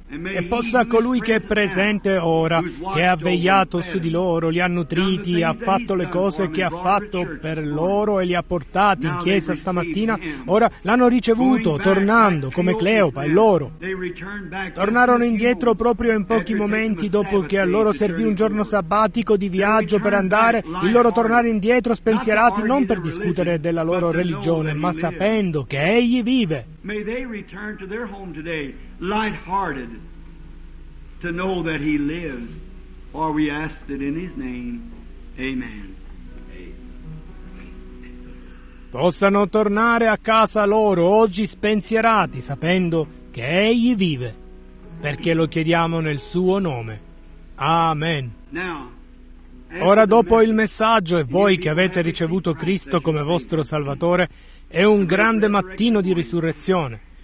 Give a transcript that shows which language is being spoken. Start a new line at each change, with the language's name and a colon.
Italian: E possa colui che è presente ora, che ha vegliato su di loro, li ha nutriti, ha fatto le cose che ha fatto per loro e li ha portati in chiesa stamattina, ora l'hanno ricevuto, tornando come Cleopa e loro. Tornarono indietro proprio in pochi momenti dopo che a loro servì un giorno sabbatico di viaggio per andare, il loro tornare indietro spensierati non per discutere della loro religione, ma sapendo che Egli vive.
English: May they return to their home today light-hearted to know that He lives, for we ask it in His name. Amen.
Italian: Possano tornare a casa loro oggi spensierati, sapendo che Egli vive, perché lo chiediamo nel Suo nome. Amen. Now, ora, dopo il messaggio, e voi che avete ricevuto Cristo come vostro Salvatore, è un grande mattino di risurrezione.